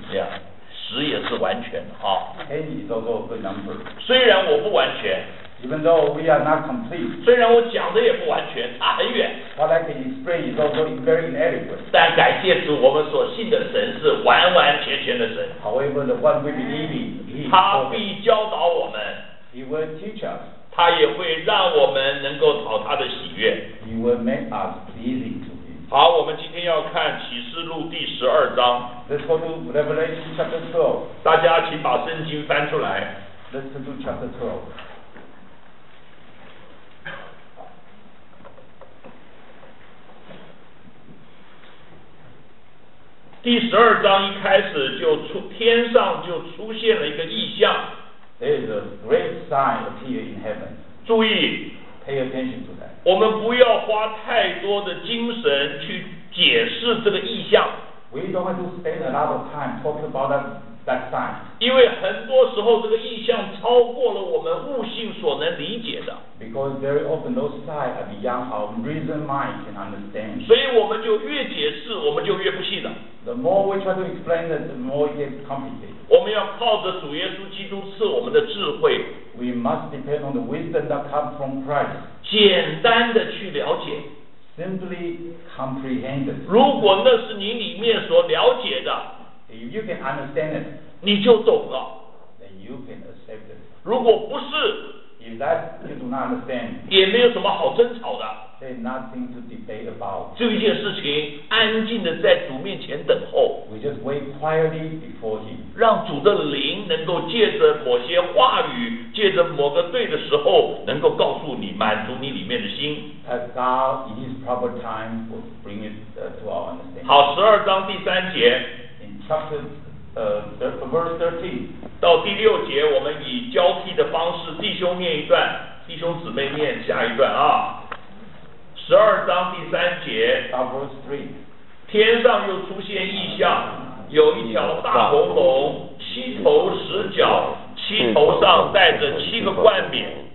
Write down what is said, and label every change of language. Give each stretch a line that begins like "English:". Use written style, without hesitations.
Chinese: Yeah. 十也是完全啊。
English: Ten is also a good number.
Chinese: 虽然我不完全。
English: Even though we are not complete.
Chinese: 虽然我讲的也不完全，差很远。
English: What I can explain is also very inadequate.
Chinese: 但感谢主，我们所信的神是完完全全的神。
English: However, the one we believe in, he
Chinese: 他必教导我们。
English: He will teach us.
Chinese: 他也会让我们能够讨他的喜悦。
English: He will make us pleasing.
Chinese: 好，我们今天要看启示录第十二章。
English: Let's go to Revelation chapter 12.
Chinese: 大家请把圣经翻出来。
English: Let's go to chapter 12.
Chinese: 第十二章一开始就出天上就出现了一个异象。
English: There is a great sign appear in heaven.
Chinese: 注意
English: ，pay attention to that.
Chinese: 我们不要花太多的精神去解释这个异象。
English: We don't have to spend a lot of time talking about that sign.
Chinese: 因为很多时候这个异象超过了我们悟性所能理解的。
English: Because very often those signs are beyond our reason mind can understand.
Chinese: 所以我们就越解释，我们就越不信了。
English: The more we try to explain it, the more it gets complicated.
Chinese: 我们要靠着主耶稣基督赐我们的智慧。
English: We must depend on the wisdom that comes from Christ.
Chinese: 简单的去了解。
English: Simply comprehend it.
Chinese: 如果那是你里面所了解的。
English: If you can understand it,
Chinese: 你就懂了。
English: Then you can accept it.
Chinese: 如果不是。
English: If that you do not understand,
Chinese: 也没有什么好争吵的。
English: There's nothing to debate about.
Chinese: 这一件事情，安静的在主面前等候。
English: We just wait quietly before Him.
Chinese: 让主的灵能够借着某些话语，借着某个对的时候，能够告诉你，满足你里面的心。
English: That God in His proper time will bring it to our understanding.
Chinese: 好，十二章第三节。
English: In chapter verse 13.
Chinese: 到第六节，我们以交替的方式，弟兄念一段，弟兄姊妹念下一段啊。十二章第三节，天上又出现异象，有一条大红龙，七头十角，七头上带着七个冠冕。